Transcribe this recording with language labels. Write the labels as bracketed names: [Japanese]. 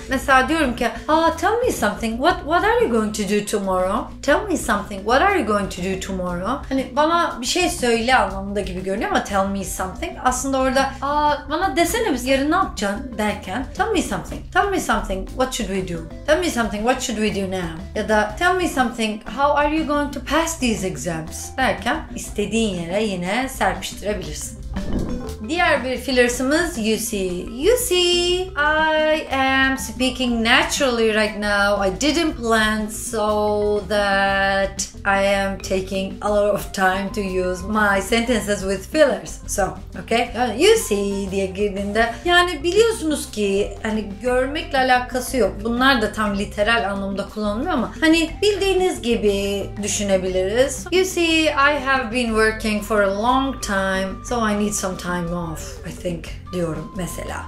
[Turkish] Mesela diyorum ki [English] tell me something. What are you going to do tomorrow? Tell me something. What are you going to do tomorrow? [Turkish] Hani bana bir şey söyle anlamında gibi görünüyor ama [English] tell me something. [Turkish] Aslında orada bana desene biz yarın ne yapacaksın derken [English] tell me something. Tell me something. What should we do? Tell me something. What should we do now? [Turkish] Ya da [English] tell me something. How are you going to pass these exams? [Turkish] Derken istediğin yere yine serpiştirebilirsin. Diğer bir fillersımız [English] you see. You see I am speaking naturally right now. I didn't plan so that I am taking a lot of time to use my sentences with fillers. So, okay? You see [Turkish] diye girdiğinde yani biliyorsunuz ki hani görmekle alakası yok. Bunlar da tam literal anlamda kullanılmıyor ama hani bildiğiniz gibi düşünebiliriz. [English] You see I have been working for a long time so I need some time off, I think, [Turkish] diyorum mesela.